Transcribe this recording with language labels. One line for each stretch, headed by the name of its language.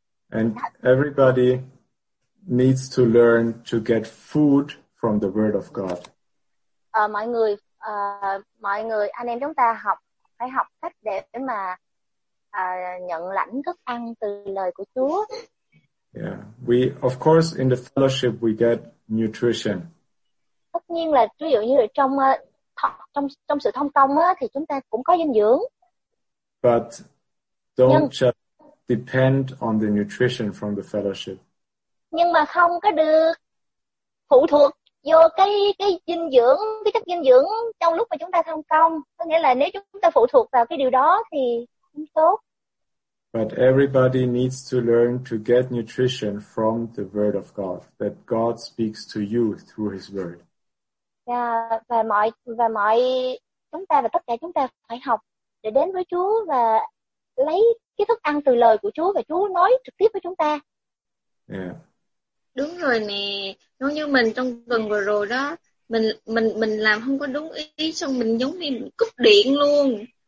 English: And everybody needs to learn to get food from the Word of God.
Vietnamese: Mọi người, anh em chúng ta phải học cách để mà nhận lãnh thức ăn từ lời của Chúa.
English: Yeah, we of course in the fellowship we get nutrition.
Vietnamese: Tất nhiên là ví dụ như trong sự thông công á thì chúng ta cũng có dinh dưỡng.
English: But just depend on the nutrition from the fellowship.
Vietnamese: Nhưng mà không có được phụ thuộc vô cái chất dinh dưỡng trong lúc mà chúng ta thông công. Có nghĩa là nếu chúng ta phụ thuộc vào cái điều đó thì không tốt.
English: But everybody needs to learn to get nutrition from the Word of God, that God speaks to you through His Word.
Vietnamese: Yeah, và mọi chúng ta và tất cả chúng ta phải học để đến với Chúa và lấy cái thức ăn từ lời của Chúa và Chúa nói trực tiếp với chúng ta.
English: Yeah.
Vietnamese: Đúng rồi nè, giống như mình trong tuần vừa rồi đó, mình làm không có đúng ý, xong mình giống như cúp điện luôn.